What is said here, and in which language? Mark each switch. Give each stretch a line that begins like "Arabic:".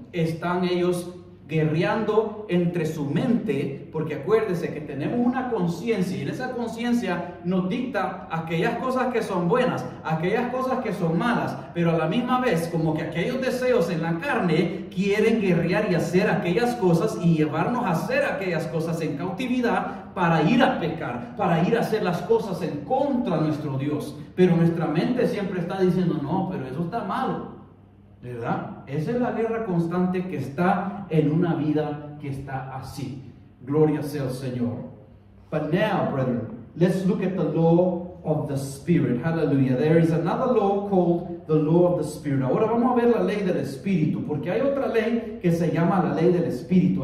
Spanish: Están ellos guerreando entre su mente, porque acuérdese que tenemos una conciencia y en esa conciencia nos dicta aquellas cosas que son buenas, aquellas cosas que son malas, pero a la misma vez como que aquellos deseos en la carne quieren guerrear y hacer aquellas cosas y llevarnos a hacer aquellas cosas en cautividad para ir a pecar, para ir a hacer las cosas en contra de nuestro Dios. Pero nuestra mente siempre está diciendo, no, pero eso está malo, ¿verdad? Esa es la guerra constante que está en una vida que está así. Gloria sea al Señor.
English: But now, brethren, let's look at the law of the Spirit. Hallelujah. There is another law called the law of the Spirit.
Spanish: Ahora vamos a ver la ley del Espíritu, porque hay otra ley que se llama la ley del Espíritu.